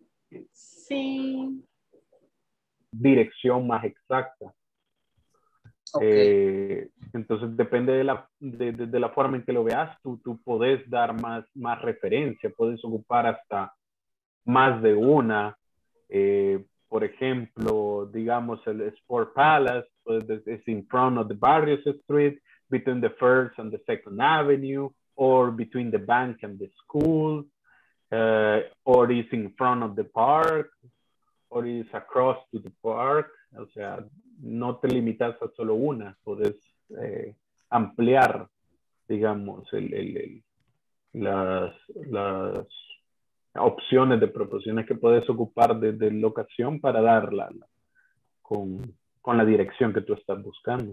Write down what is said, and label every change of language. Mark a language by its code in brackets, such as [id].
[en] Let's see. [es] Dirección más exacta. [en] Okay. [es] Entonces depende de la forma en que lo veas, tú puedes dar más referencia, puedes ocupar hasta más de una. Por ejemplo, digamos el Sport Palace, pues, [en] it's in front of the Barrios Street, between the First and the Second Avenue, or between the bank and the school, or it's in front of the park, or it's across to the park. [es] O sea, no te limitas a solo una, puedes ampliar, digamos, las opciones de proposiciones que puedes ocupar desde la ocasión para darla con la dirección que tú estás buscando.